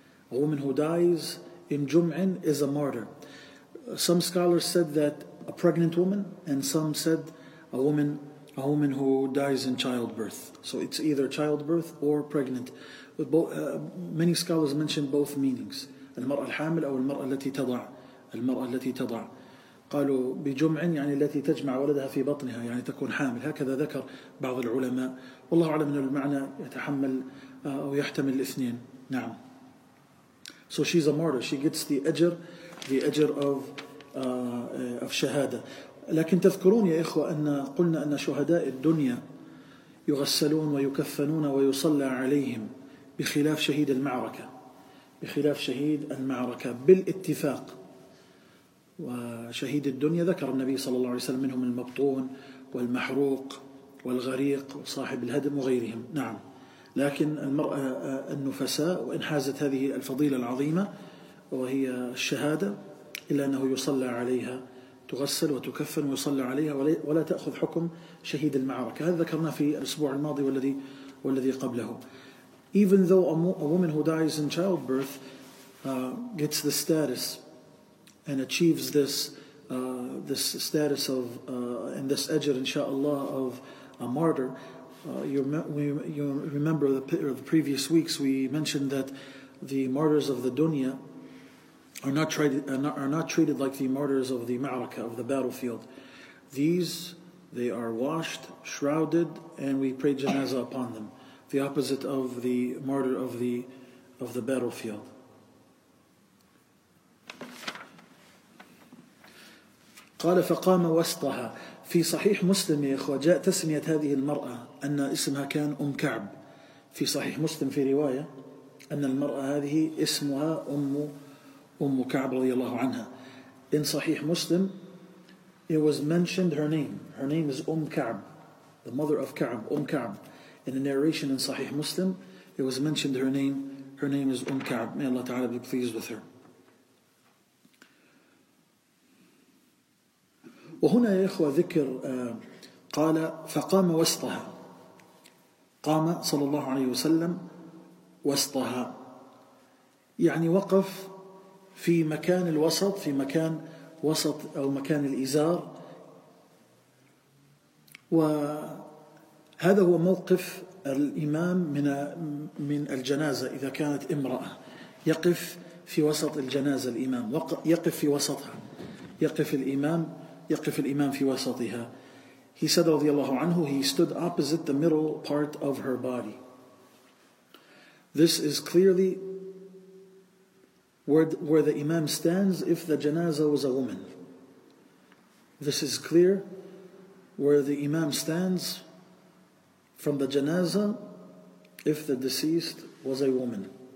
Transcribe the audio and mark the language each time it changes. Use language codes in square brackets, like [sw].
[en] A woman who dies in Jum'in is a martyr. Some scholars said that a pregnant woman, and some said a woman who dies in childbirth. So it's either childbirth or pregnant. But many scholars mention both meanings. [ar] المرأة الحامل أو المرأة التي تضع. المرأة التي تضع. قالوا بجمع يعني التي تجمع ولدها في بطنها يعني تكون حامل. هكذا ذكر بعض العلماء. والله أعلم أن المعنى يتحمل أو يحتمل الاثنين. نعم. [en] So she's a martyr. She gets the أجر. The [ar] أجر of شهادة. لكن تذكرون يا إخوة أن قلنا أن شهداء الدنيا يغسلون ويكفنون ويصلى عليهم بخلاف شهيد المعركة, بخلاف شهيد المعركة بالاتفاق. وشهيد الدنيا ذكر النبي صلى الله عليه وسلم منهم المبطون والمحروق والغريق وصاحب الهدم وغيرهم. نعم. لكن المرأة النفساء وإن حازت هذه الفضيلة العظيمة وهي الشهادة إلا أنه يصلى عليها, تغسل وتكفن ويصلى عليها ولا تأخذ حكم شهيد المعركة. هذا ذكرنا في الأسبوع الماضي والذي قبله. [en] Even though a woman who dies in childbirth gets the status and achieves this status of and this ajr inshallah of a martyr, you remember the previous weeks we mentioned that the martyrs of the dunya are not treated like the martyrs of the ma'raka, of the battlefield. These, they are washed, shrouded, and we pray janazah upon them. The opposite of the martyr of the battlefield. [ar] قال فقام وسطها. في صحيح مسلم يا إخوة جاء تسمية هذه المرأة أن اسمها كان أم كعب. في صحيح مسلم في رواية أن المرأة هذه اسمها أم كعب رضي الله عنها. [en] In صحيح مسلم it was mentioned her name. Her name is أم كعب, the mother of كعب, أم كعب. In a narration in صحيح مسلم it was mentioned her name. Her name is أم كعب. May Allah Ta'ala be pleased with her. [ar] وهنا يا إخوة ذكر قال فقام وسطها. قام صلى الله عليه وسلم وسطها يعني وقف في مكان الوسط, في مكان وسط أو مكان الإزار, هذا هو موقف الإمام من الجنازة. إذا كانت امرأة يقف في وسط الجنازة الإمام يقف في وسطها, يقف الإمام في وسطها. [en] He said [ar] رضي الله عنه, [en] he stood opposite the middle part of her body. This is clearly where the Imam stands if the janazah was a woman. This is clear where the Imam stands from the janazah if the deceased was a woman.